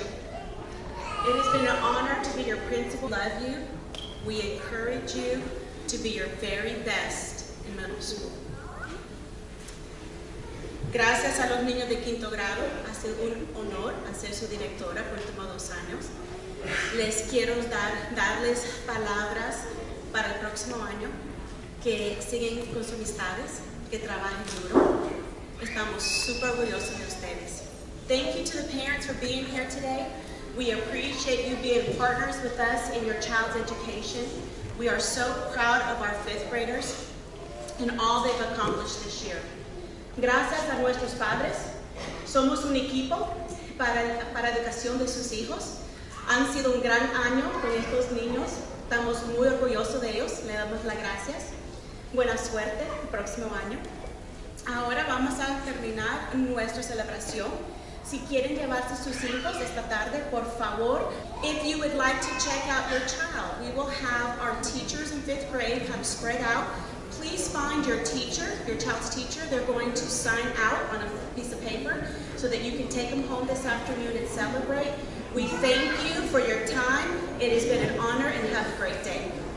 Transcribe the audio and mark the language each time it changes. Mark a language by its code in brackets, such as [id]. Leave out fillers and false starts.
[en] It has been an honor to be your principal. Love you. We encourage you to be your very best in middle school. [es] Gracias a los niños de quinto grado. Ha sido un honor ser su directora por estos 2 años. Les quiero darles palabras para el próximo año. Que siguen con sus amistades, que trabajen duro. Estamos super orgullosos de ustedes. [en] Thank you to the parents for being here today. We appreciate you being partners with us in your child's education. We are so proud of our fifth graders and all they've accomplished this year. [es] Gracias a nuestros padres. Somos un equipo para educación de sus hijos. Han sido un gran año con estos niños. Estamos muy orgullosos de ellos. Le damos las gracias. Buena suerte el próximo año. Ahora vamos a terminar nuestra celebración. Si quieren llevarse sus hijos esta tarde, por favor. [en] If you would like to check out your child, we will have our teachers in fifth grade come spread out. Please find your teacher, your child's teacher. They're going to sign out on a piece of paper so that you can take them home this afternoon and celebrate. We thank you for your time. It has been an honor and have a great day.